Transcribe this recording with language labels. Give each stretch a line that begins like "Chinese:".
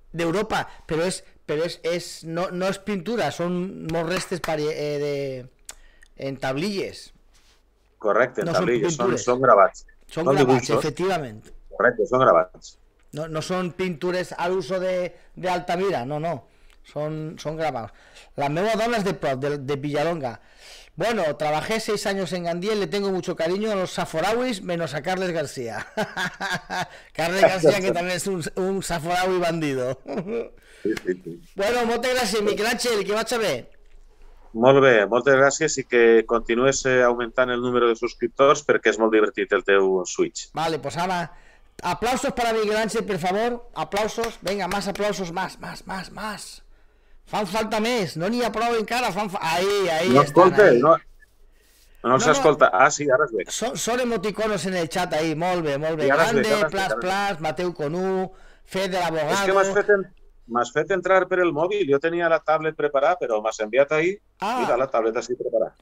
Catalan: D'Europa, però és no, no és pintura, són molts restes en tablilles. Correcte, no tablilles, són gravats. Són gravats, efectivament. Correcte, són gravats. No són pintures a l'uso de Altamira, no, són gravats. La meva dona és de prop, de Villalonga.
Spanish: Bueno, trabajé 6 años en Gandía y le tengo mucho cariño a los saforauis menos a Carles García. Carles García, que también es un saforaui bandido. Bueno, muchas gracias, Miquel Ángel, que vaya bien. Muy bien, muchas gracias y que continúes aumentando el número de suscriptores porque es muy divertido
Catalan: el teu Switch.
Spanish: Vale, pues ahora, aplausos para Miquel Ángel, por favor, aplausos, venga, más aplausos, más.
Catalan: Fan falta més, no n'hi ha prou encara, ahí no escolta, no s'escolta, ah sí, ara es ve. Són emoticonos en el chat ahí, molt bé, grande, plas, Mateu Conú, Fede l'abogado... És que m'has fet entrar per el mòbil, jo tenia la tablet preparada, però m'has enviat ahí i la tableta sí preparada.